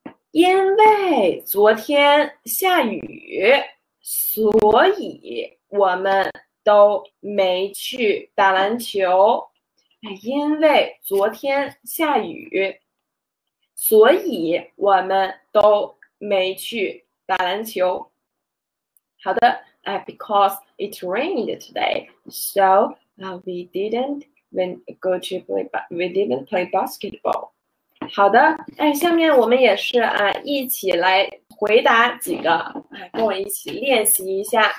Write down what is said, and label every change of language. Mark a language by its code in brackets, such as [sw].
[zh] 因为昨天下雨，所以我们都没去打篮球。因为昨天下雨，所以我们都。没去打篮球。 [en] 好的，because it rained today, so we didn't play basketball。 [zh] 好的，哎，下面我们也是一起来回答几个，跟我一起练习一下。